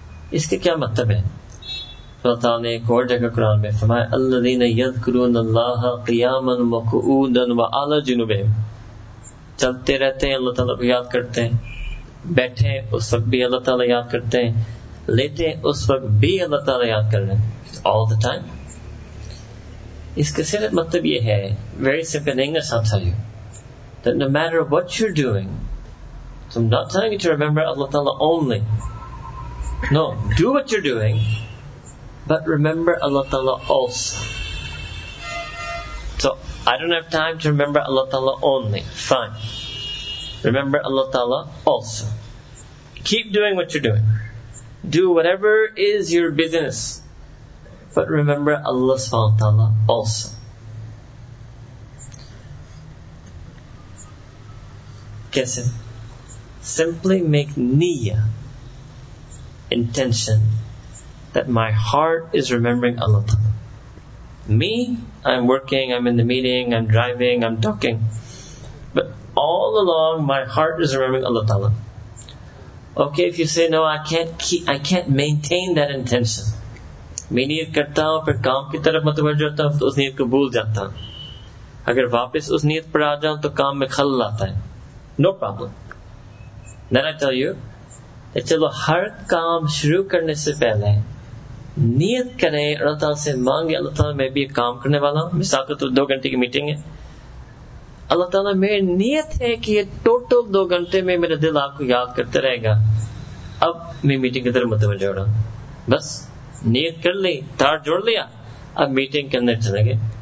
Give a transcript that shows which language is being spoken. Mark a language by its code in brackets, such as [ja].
[ur] اس کے کیا مطلب ہے؟ اللہ تعالیٰ نے ایک اور جگہ قرآن میں فرمایا [ar] الَّذِينَ يَذْكُرُونَ اللَّهَ قِيَامًا وَقُعُودًا وَعَلَى جُنُوبِهِمْ, [ur] چلتے رہتے ہیں اللہ تعالیٰ کو یاد کرتے ہیں, بیٹھے اس وقت بھی اللہ تعالیٰ یاد کرتے ہیں, لیتے اس وقت بھی اللہ تعالیٰ یاد کر رہے ہیں, [en] all the time. [ur] اس کا صرف مطلب یہ ہے, [en] very simple in English I'll tell you, that no matter what you're doing, so I'm not telling you to remember Allah Ta'ala only, no, do what you're doing, but remember Allah Ta'ala also. So I don't have time to remember Allah Ta'ala only, fine, remember Allah Ta'ala also, keep doing what you're doing, do whatever is your business, but remember Allah subhanahu wa ta'ala also. [ur] Kaise? [en] Simply make niyyah, intention, that my heart is remembering Allah ta'ala. Me, I'm working, I'm in the meeting, I'm driving, I'm talking. But all along, my heart is remembering Allah ta'ala. Okay, if you say, no, I can't maintain that intention. [ur] میں نیت کرتا ہوں پھر کام کی طرف متوجہ ہوتا ہوں تو اس نیت کو بھول جاتا ہوں, اگر واپس اس نیت پر آ جاؤں تو کام میں خلل آتا ہے, [en] No problem. Then I tell you that [ur] چلو ہر کام شروع کرنے سے پہلے نیت کریں اللہ تعالیٰ سے, مانگے اللہ تعالیٰ میں بھی ایک کام کرنے والا ہوں, مثال کے طور پر دو گھنٹے کی میٹنگ ہے, اللہ تعالیٰ میری نیت ہے کہ یہ ٹوٹل دو گھنٹے میں میرا دل آپ کو یاد کرتا رہے گا, اب میں میٹنگ کی طرف متوجہ ہو رہا ہوں, بس نیت کر لی, تار جوڑ لیا, اب میٹنگ کے اندر چلے گئے.